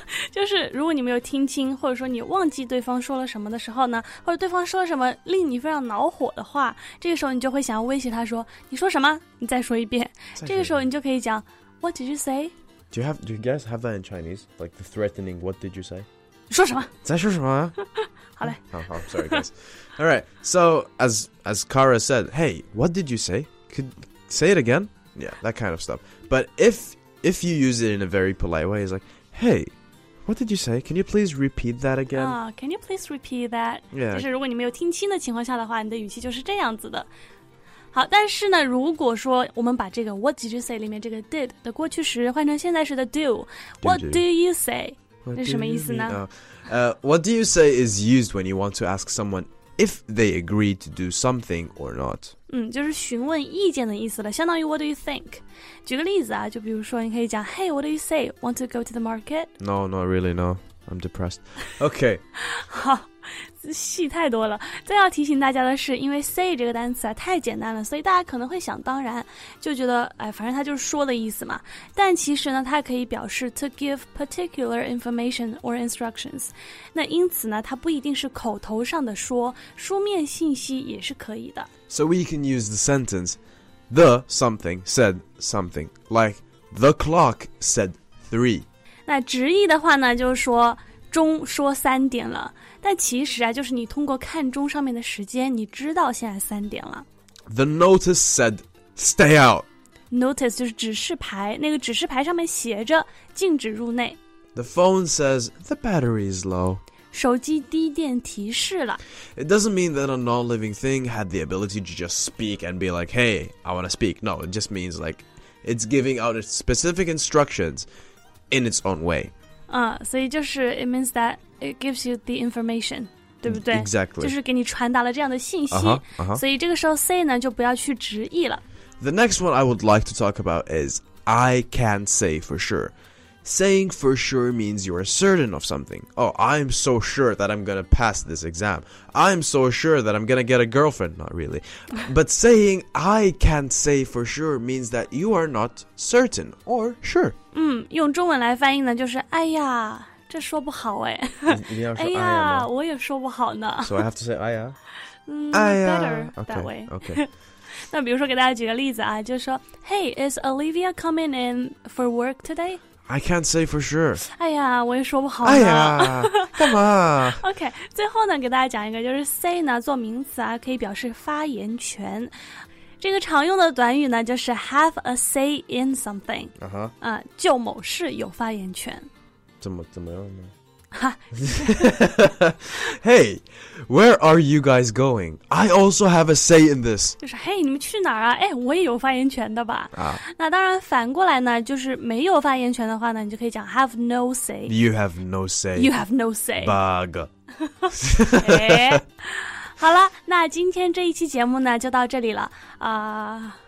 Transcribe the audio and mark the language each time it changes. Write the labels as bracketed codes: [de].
[zh] 就是如果你没有听清或者说你忘记对方说了什么的时候呢，或者对方说了什么令你非常恼火的话，这个时候你就会想要威胁他说，你说什么，你再说一遍。这个时候你就可以讲 [en] What did you say? Do you guys have that in Chinese? Like the threatening what did you say? [zh] 你说什么，再说什么。好嘞， [en] 好 sorry guys. Alright, so as Kara said, hey, what did you say? Could say it again? Yeah, that kind of stuff. But if you use it in a very polite way, it's like, hey, what did you say? Can you please repeat that again? Can you please repeat that? Yeah. [zh] 就是如果你没有听清的情况下的话，你的语气就是这样子的。好，但是呢，如果说我们把这个 [en] what did you say [zh] 里面这个 did 的过去时换成现在时的 do, [en] what do you say? [zh] 是什么意思呢？ [en] What do you say is used when you want to ask someone if they agree to do something or not. [zh] 就是询问意见的意思了，相当于 [en] what do you think? [zh] 举个例子啊，就比如说你可以讲 [en] Hey, what do you say? Want to go to the market? No, not really, no. I'm depressed. Okay. [zh] 好，戏太多了。再要提醒大家的是，因为 say 这个单词啊太简单了，所以大家可能会想当然，就觉得哎，反正它就是说的意思嘛。但其实呢，它可以表示 [en] to give particular information or instructions. [zh] 那因此呢，它不一定是口头上的说，书面信息也是可以的。 [en] So we can use the sentence, the something said something, like the clock said three. [zh] 那直译的话呢，就是说钟说三点了。但其实啊，就是你通过看钟上面的时间，你知道现在三点了。 [en] The notice said, stay out. [zh] Notice 就是指示牌，那个指示牌上面写着禁止入内。 [en] The phone says, the battery is low. [zh] 手机低电提示了。 [en] It doesn't mean that a non-living thing had the ability to just speak and be like, hey, I want to speak. No, it just means like it's giving out its specific instructions in its own way. So it just it means that it gives you the information, [zh] 对不对 [en] Exactly. [zh] 就是给你传达了这样的信息。所以这个时候 say 呢就不要去直译了。 [en] The next one I would like to talk about is I can't say for sure. Saying for sure means you are certain of something. Oh, I'm so sure that I'm gonna pass this exam. I'm so sure that I'm gonna get a girlfriend. Not really. But saying I can't say for sure means that you are not certain or sure. [zh] 用中文来翻译呢，就是哎呀，这说不好哎。一定要说哎呀吗？我也说不好呢。 [en] So I have to say [zh] 哎呀。哎呀。 [en] Better that way. Okay. [zh] 那比如说给大家举个例子啊，就是说 [en] Hey, is Olivia coming in for work today? I can't say for sure. [zh] 哎呀，我也说不好呢。哎呀，干嘛？OK， 最后呢，给大家讲一个，就是 say 呢，做名词啊，可以表示发言权。这个常用的短语呢，就是 have a say in something。 [en] Uh-huh. [zh] 啊，就某事有发言权。怎么样呢？ [en] 哈，Hey, where are you guys going? I also have a say in this. [zh] 就是 Hey, 你们去哪儿啊？哎，我也有发言权的吧？啊，那当然，反过来呢，就是没有发言权的话呢，你就可以讲 [en] have no say. You have no say. You have no say. Bug. 哎， [zh] 好了，那今天这一期节目呢，就到这里了啊。